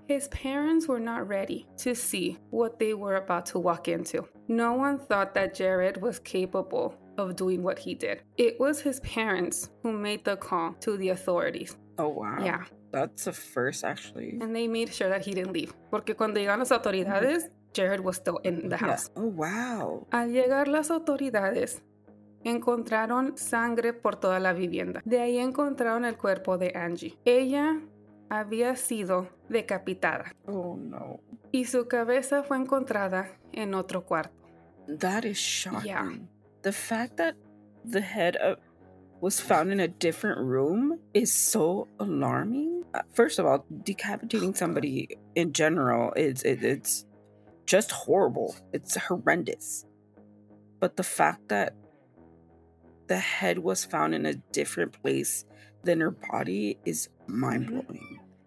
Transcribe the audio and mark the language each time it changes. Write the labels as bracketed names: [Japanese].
[English] His parents were not ready to see what they were about to walk into. No one thought that Jared was capable of doing what he did. It was his parents who made the call to the authorities. Oh, wow. Yeah. That's a first, actually. And they made sure that he didn't leave. [Spanish] Porque cuando llegan las autoridades, [English] Jared was still in the house. Yeah. Oh, wow. [Spanish] Al llegar las autoridades, encontraron sangre por toda la vivienda. De ahí encontraron el cuerpo de Anggy. Ella había sido decapitada. [English] Oh, no. [Spanish] Y su cabeza fue encontrada en otro cuarto. [English] That is shocking. Yeah. The fact that the head was found in a different room is so alarming. First of all, decapitating somebody in general, it's just horrible. It's horrendous. But the fact that the head was found in a different place than her body is mind-blowing.